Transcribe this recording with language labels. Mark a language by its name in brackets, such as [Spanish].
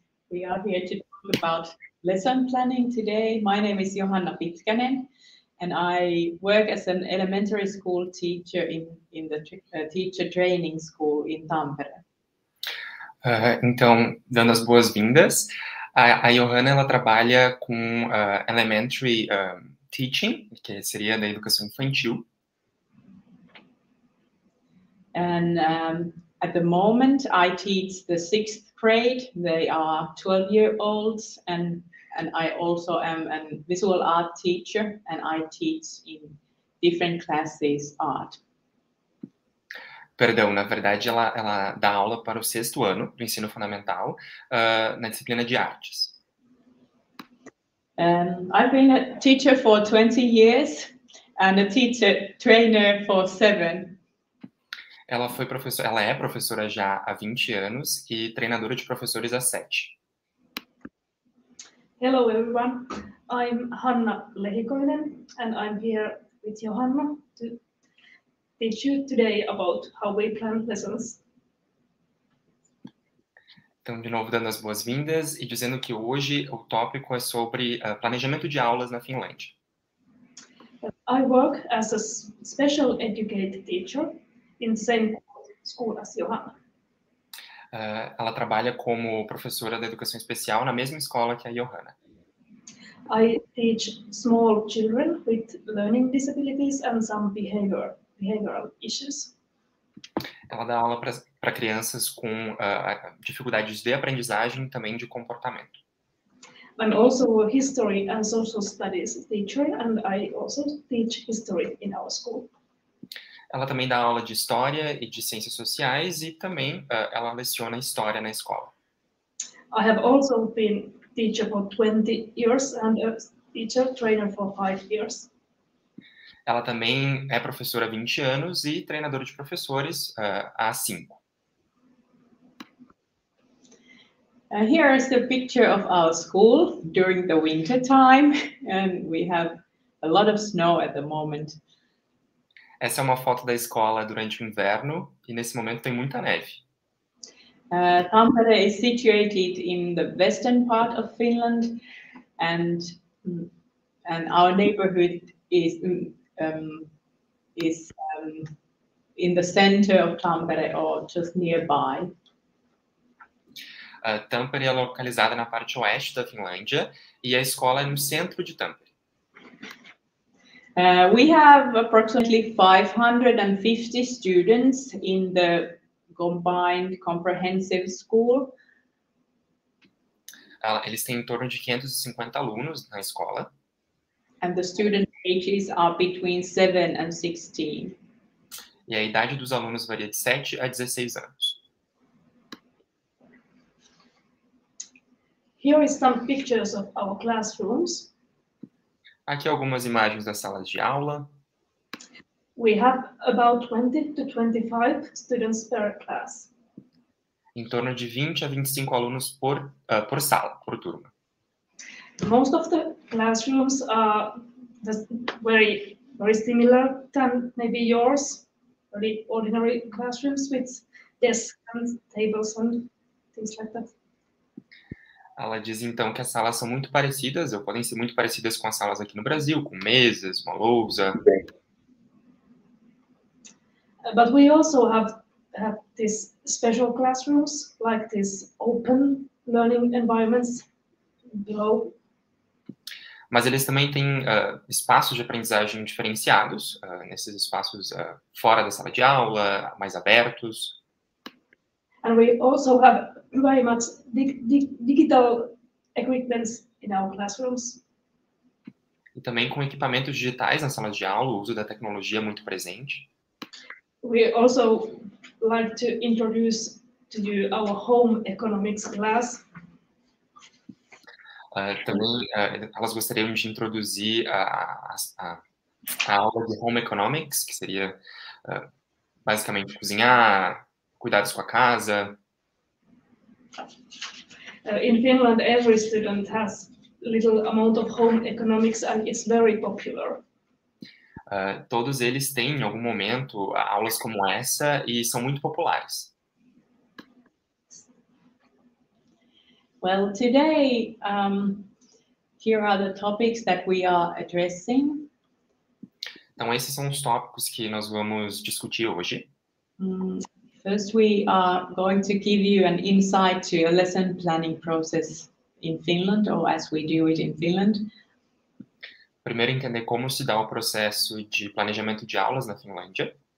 [English] We are here to talk about lesson planning today. My name is Johanna Pitkänen, and I work as an elementary school teacher in the teacher training school in Tampere. [Portuguese] Então, dando as boas-vindas, a Johanna, ela trabalha com elementary teaching, que seria da educação infantil. [English] And at the moment, I teach the sixth grade. They are 12-year-olds, and I also am a visual art teacher, and I teach in different classes art. [Portuguese] Perdão, na verdade, ela dá aula para o sexto ano do ensino fundamental na disciplina de artes. [English] I've been a teacher for 20 years and a teacher trainer for 7. [Portuguese] Ela é professora já há 20 anos e treinadora de professores há 7. [English] Hello everyone, I'm Hanna Lehikoinen, and I'm here with Johanna to teach you today about how we plan lessons. [Portuguese] Então, de novo, dando as boas-vindas e dizendo que hoje o tópico é sobre planejamento de aulas na Finlândia. [English] I work as a special educated teacher in the same school as Johanna. [Portuguese] Ela trabalha como professora da educação especial na mesma escola que a Johanna. [English] I teach small children with learning disabilities and some behavioral issues. [Portuguese] Ela dá aula para crianças com dificuldades de aprendizagem e também de comportamento. [English] I'm also a history and social studies teacher, and I also teach history in our school. [Portuguese] Ela também dá aula de história e de ciências sociais e também ela leciona história na escola. [English] I have also been teacher for 20 years and a teacher trainer for 5 years. [Portuguese] Ela também é professora há 20 anos e treinadora de professores há 5. [English] Here is the picture of our school during the winter time, and we have a lot of snow at the moment. [Portuguese] Essa é uma foto da escola durante o inverno e nesse momento tem muita neve. [English] Tampere is situated in the western part of Finland, and our neighborhood is in the center of Tampere or just nearby. [Portuguese] Tampere é localizada na parte oeste da Finlândia e a escola é no centro de Tampere. [English] We have approximately 550 students in the combined comprehensive school. [Portuguese] Eles têm em torno de 550 alunos na escola. [English] And the student ages are between 7 and 16. [Portuguese] E a idade dos alunos varia de 7 a 16 anos. [English] Here is some pictures of our classrooms. [Portuguese] Aqui algumas imagens das salas de aula. [English] We have about 20 to 25 students per class. [Portuguese] Em torno de 20 a 25 alunos por sala, por turma. [English] Most of the classrooms are very, very similar to maybe yours, very ordinary classrooms with desks and tables and things like that. [Portuguese] Ela diz então que as salas são muito parecidas, ou podem ser muito parecidas com as salas aqui no Brasil, com mesas, uma lousa. [English] But we also have these special classrooms, like these open learning environments below. [Portuguese] Mas eles também têm espaços de aprendizagem diferenciados, nesses espaços fora da sala de aula, mais abertos. [English] And we also have very much digital equipment in our classrooms. [Portuguese] E também com equipamentos digitais nas salas de aula, o uso da tecnologia muito presente. [English] We also like to introduce to you our home economics class. [Portuguese] Elas gostariam de introduzir a aula de home economics, que seria basicamente cozinhar, cuidados com a casa. [English] In Finland, every student has little amount of home economics and it's very popular. [Portuguese] Todos eles têm, em algum momento, aulas como essa e são muito populares. [English] Well, today, here are the topics that we are addressing. [Portuguese] Então, esses são os tópicos que nós vamos discutir hoje. [English] First, we are going to give you an insight to a lesson planning process in Finland, or as we do it in Finland. [Portuguese] Primeiro, entender como se dá o processo de planejamento de aulas na Finlândia.